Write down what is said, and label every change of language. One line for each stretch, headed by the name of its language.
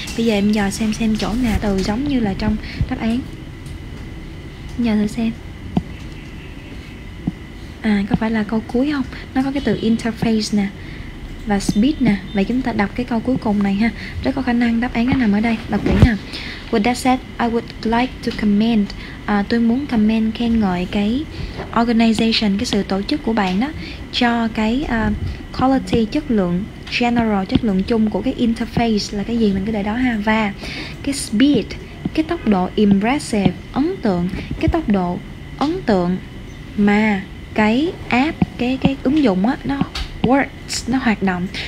Vietnamese: Bây giờ em dò xem chỗ nào từ giống như là trong đáp án. Nhờ thử xem. À, có phải là câu cuối không? Nó có cái từ interface nè và speed nè. Vậy chúng ta đọc cái câu cuối cùng này ha. Rất có khả năng đáp án nó nằm ở đây. Đọc kỹ nè.
English: With that said, I would like to comment.
Vietnamese: Tôi muốn comment, khen ngợi cái organization, cái sự tổ chức của bạn đó, cho cái quality, chất lượng general, chất lượng chung của cái interface là cái gì mình cứ để đó ha. Và cái speed, cái tốc độ impressive, ấn tượng, cái tốc độ ấn tượng mà cái app, cái ứng dụng á, nó works, nó hoạt động.